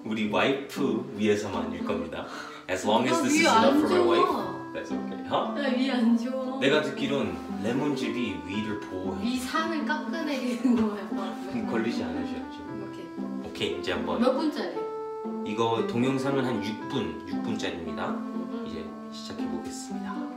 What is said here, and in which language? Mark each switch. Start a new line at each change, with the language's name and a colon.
Korean: 와이프 위해서만 일 겁니다.
English: As long as this is enough for my wife, that's okay.
Korean: 나 위 안 좋아. 내가 듣기론 레몬즙이 위를 보호해. 위 상을 깎아내리는 거야. 그럼 걸리지 않으셔야죠. 오케이. 오케이 이제 한번. 몇 분짜리? 이거 동영상은 한 6분짜리입니다. 이제 시작해 보겠습니다.